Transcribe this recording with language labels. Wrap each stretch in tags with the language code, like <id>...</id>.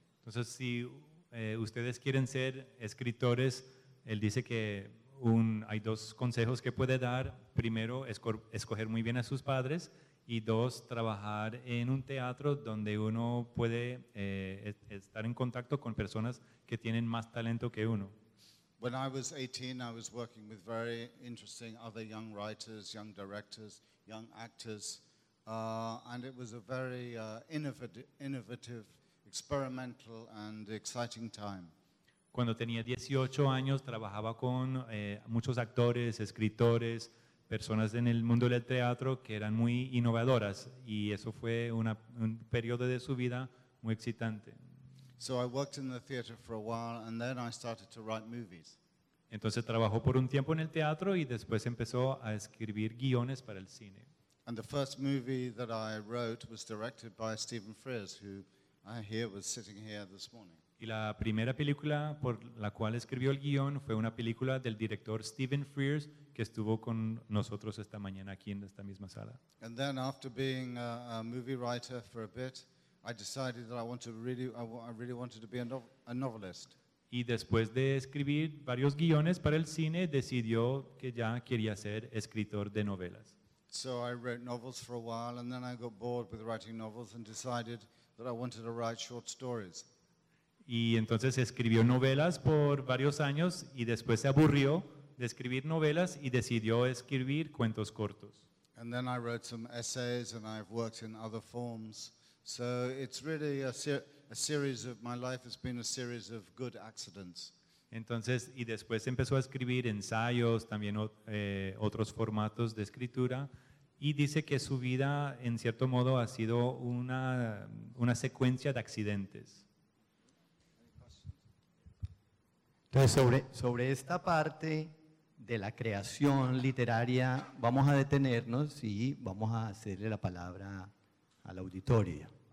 <es>Entonces, si ustedes quieren ser escritores, él dice que hay dos consejos que puede dar. Primero, escoger muy bien a sus padres. Y dos, trabajar en un teatro donde uno puede estar en contacto con personas que tienen más talento que uno.</es> <en>When I was 18, I was working with very interesting other young writers, young directors, young actors, and it was a very innovative, experimental and exciting time.</en> <es>Cuando tenía 18 años, trabajaba con muchos actores, escritores, personas en el mundo del teatro que eran muy innovadoras, y eso fue un periodo de su vida muy excitante.</es> <en>So I worked in the theater for a while and then I started to write movies.</en> <es>Entonces trabajó por un tiempo en el teatro y después empezó a escribir guiones para el cine.</es> <en>And the first movie that I wrote was directed by Stephen Frears, who I hear was sitting here this morning.</en> <es>Y la primera película por la cual escribió el guion fue una película del director Stephen Frears, que estuvo con nosotros esta mañana aquí en esta misma sala.</es> <en>And then after being a movie writer for a bit, I decided that I really wanted to be a novelist.</en> <es>Y después de escribir varios guiones para el cine, decidió que ya quería ser escritor de novelas.</es> <en>So I wrote novels for a while and then I got bored with writing novels and decided that I wanted to write short stories.</en> <es>Y entonces escribió novelas por varios años y después se aburrió de escribir novelas y decidió escribir cuentos cortos.</es> <en>And then I wrote some essays and I've worked in other forms. So it's really a series of, my life has been a series of good accidents.</en> <es>Entonces, y después empezó a escribir ensayos, también otros formatos de escritura, y dice que su vida en cierto modo ha sido una secuencia de accidentes. Entonces, sobre esta parte de la creación literaria, vamos a detenernos y vamos a hacerle la palabra a la auditoria.</es>